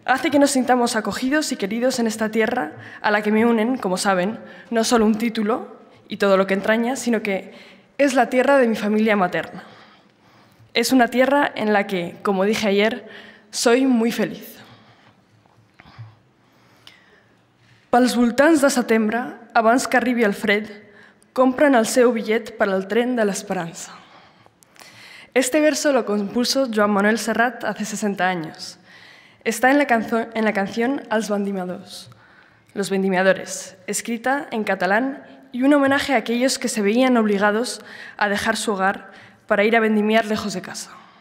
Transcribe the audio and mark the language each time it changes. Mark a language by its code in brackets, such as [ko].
[es] Hace que nos sintamos acogidos y queridos en esta tierra a la que me unen, como saben, no solo un título y todo lo que entraña, sino que es la tierra de mi familia materna. Es una tierra en la que, como dije ayer, soy muy feliz. [ca] Pels voltants de setembre, abans que arribi el fred, compren el seu billet per al tren de l'esperança. [es] Este verso lo compuso Joan Manuel Serrat hace 60 años. Está en la canción Els Vendimadors, Los Vendimiadores, escrita en catalán y un homenaje a aquellos que se veían obligados a dejar su hogar para ir a vendimiar lejos de casa.